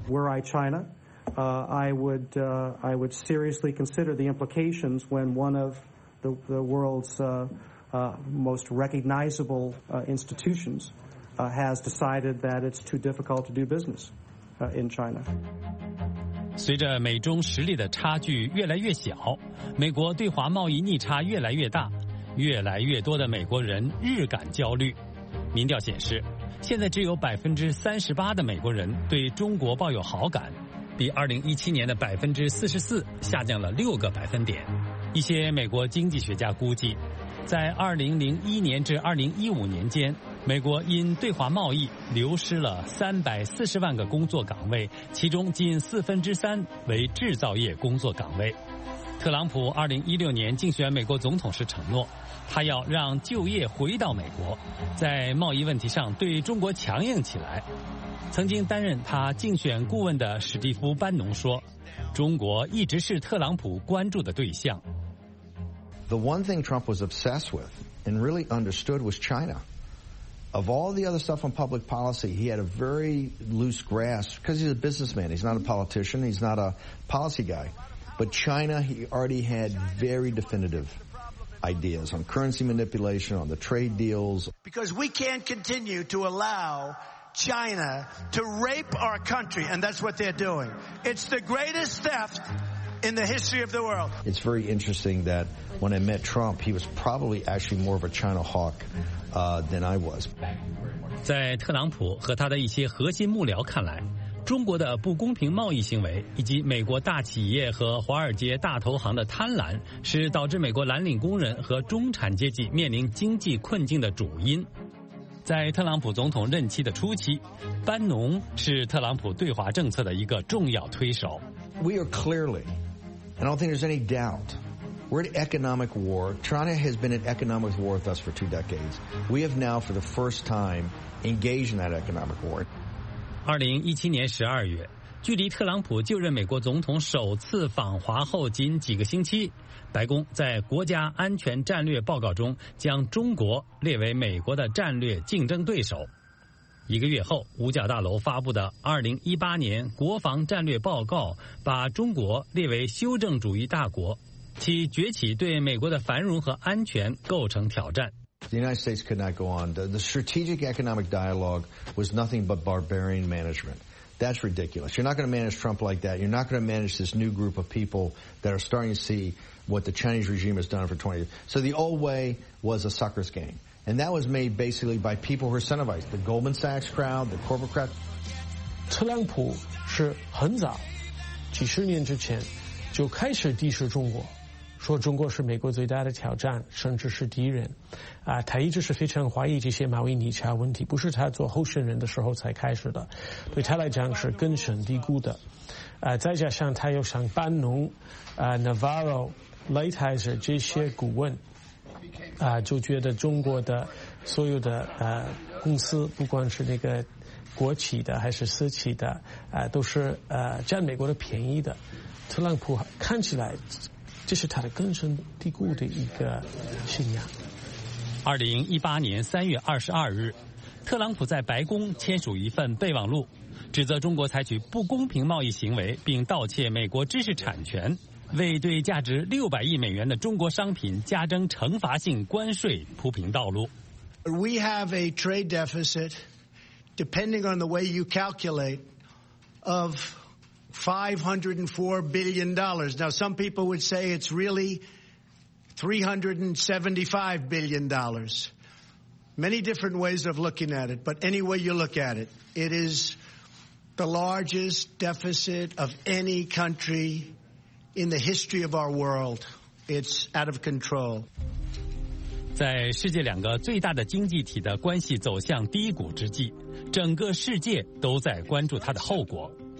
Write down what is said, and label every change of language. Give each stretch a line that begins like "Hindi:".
English: Were I China, I would seriously consider the implications when one of the world's most recognizable institutions has decided that it's too difficult to do business in China.
Chinese: 随着美中实力的差距越来越小，美国对华贸易逆差越来越大，越来越多的美国人日感焦虑。民调显示，现在只有38%的美国人对中国抱有好感，比2017年的44%下降了6个百分点。一些美国经济学家估计，在2001年至2015年间，美国因对华贸易流失了340万个工作岗位，其中近3/4为制造业工作岗位。特朗普2016年竞选美国总统时承诺，他要让就业回到美国，在贸易问题上对中国强硬起来。曾经担任他竞选顾问的史蒂夫·班农说，中国一直是特朗普关注的对象。
English: The one thing Trump was obsessed with and really understood was China. Of all the other stuff on public policy, he had a very loose grasp because he's a businessman. He's not a politician. He's not a policy guy. But China, he already had very definitive ideas on currency manipulation, on the trade deals. Because we can't continue to allow China to rape our country, and that's what they're doing. It's the greatest theft in the history of the world. It's very interesting that when I met Trump, he was probably actually more of a China hawk than I was.
Chinese: 在特朗普和他的一些核心幕僚看来，中国的不公平贸易行为以及美国大企业和华尔街大投行的贪婪是导致美国蓝领工人和中产阶级面临经济困境的主因。在特朗普总统任期的初期，班农是特朗普对华政策的一个重要推手。
English: We are clearly, I don't think there's any doubt, we're at economic war. China has been at economic war with us for 2 decades. We have now, for the first time, engaged in that economic war.
Chinese: 2017年12月，距离特朗普就任美国总统首次访华后仅几个星期，白宫在国家安全战略报告中将中国列为美国的战略竞争对手。一个月后，五角大楼发布的2018年国防战略报告把中国列为修正主义大国，其崛起对美国的繁荣和安全构成挑战。
English: The United States could not go on. The strategic economic dialogue was nothing but barbarian management. That's ridiculous. You're not going to manage Trump like that. You're not going to manage this new group of people that are starting to see what the Chinese regime has done for 20 years. So the old way was a sucker's game. And that was made basically by people who are incentivized, the Goldman Sachs crowd, the corporate crowd.
Chinese: 特朗普是很早几十年之前就开始敌视中国，说中国是美国最大的挑战，甚至是敌人啊！他一直是非常怀疑这些马维尼查问题，不是他做候选人的时候才开始的，对他来讲是根深蒂固的啊！再加上他又想班农啊、Navarro、Lighthizer 这些顾问啊，就觉得中国的所有的公司，不管是那个国企的还是私企的啊，都是占美国的便宜的。特朗普看起来这是他的根深蒂固的一个信仰。 2018年3月22日，特朗普在白宫签署一份备忘录，指责中国采取不公平贸易行为，并盗窃美国知识产权，为对价值600亿美元的中国商品加征惩罚性关税铺平道路。
English: We have a trade deficit, depending on the way you calculate, of $504 billion. Now, some people would say it's really $375 billion. Many different ways of looking at it, but any way you look at it, it is the largest deficit of any country in the history of our world. It's out of control.
Chinese: 在世界两个最大的经济体的关系走向低谷之际，整个世界都在关注它的后果。